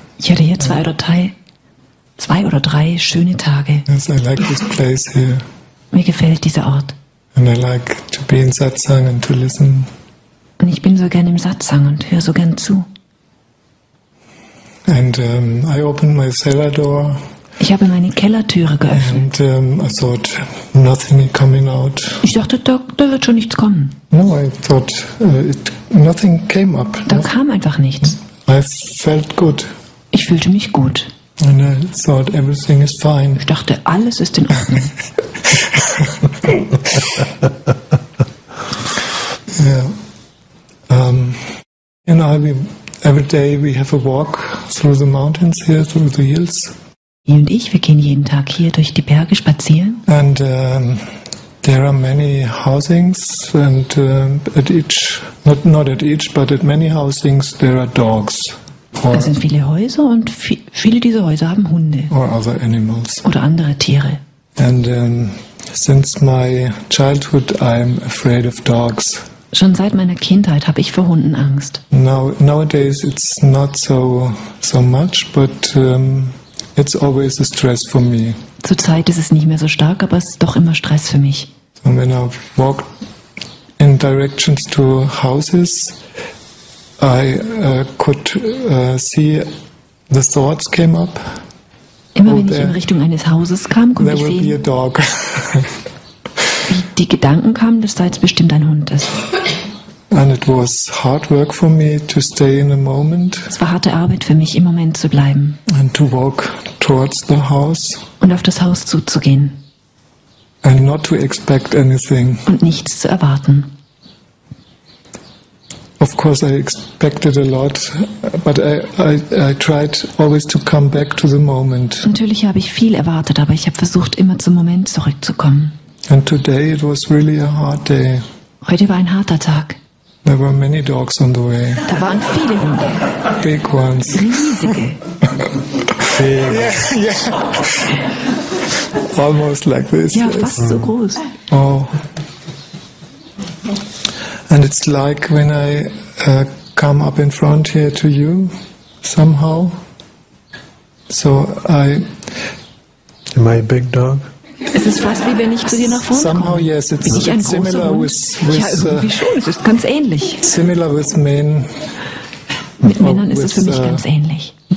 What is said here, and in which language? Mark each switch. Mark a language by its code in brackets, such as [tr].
[de] Ich hatte hier zwei oder drei schöne Tage. [en] Yes, I like this place here. [de] Mir gefällt dieser Ort. [en] And I like to be in Satsang and to listen. [de] Und ich bin so gern im Satsang und höre so gern zu. [en] And I opened my cellar door. [de] Ich habe meine Kellertüre geöffnet. [en] And I thought nothing coming out. [de] Ich dachte, da wird schon nichts kommen. [en] No, I thought it nothing came up. [de] Da kam einfach nichts. [en] I felt good. [de] Ich fühlte mich gut. [en] And I thought everything is fine. [de] Ich dachte, alles ist in Ordnung. [en] Yeah. And I mean, every day we have a walk through the mountains here, through the hills. [de] Ihr und ich, wir gehen jeden Tag hier durch die Berge spazieren. [en] And there are many housings and at each, not at each, but at many housings there are dogs. [de] Es sind viele Häuser und viele dieser Häuser haben Hunde. [en] Or other animals. [de] Oder andere Tiere. [en] And since my childhood I'm afraid of dogs. [de] Schon seit meiner Kindheit habe ich vor Hunden Angst. [en] Nowadays it's not so much, but it's always a stress for me. [de] Zurzeit ist es nicht mehr so stark, aber es ist doch immer Stress für mich. [en] So when I walk in directions to houses, I could see the thoughts came up. [de] Immer wenn ich in Richtung eines Hauses kam, konnte ich sehen. [en] There will be a dog. [de] Die Gedanken kamen, dass da jetzt bestimmt ein Hund ist. [en] And it was hard work for me to stay in a moment. [de] Es war harte Arbeit für mich, im Moment zu bleiben. [en] And to walk towards the house. [de] Und auf das Haus zuzugehen. [en] And not to expect anything. [de] Und nichts zu erwarten. [en] Of course I expected a lot, but I tried always to come back to the moment. [de] Natürlich habe ich viel erwartet, aber ich habe versucht, immer zum Moment zurückzukommen. [en] And today it was really a hard day. [de] Heute war ein harter Tag. [en] There were many dogs on the way. [de] Da waren viele Hunde. [en] Big ones. [de] Riesige. [en] Big. Yeah. Almost like this. [de] Ja, fast so groß. Oh. [en] And it's like when I come up in front here to you, somehow. So I. Am I a big dog? [de] Es ist fast wie wenn ich zu dir nach vorne komme. [en] Somehow yes, it's [de] bin ich ein großer [en] similar [de] Hund? [en] With [de] ja, irgendwie schon, es ist ganz ähnlich. [en] Similar with men. [de] Mit Männern ist es für mich ganz ähnlich.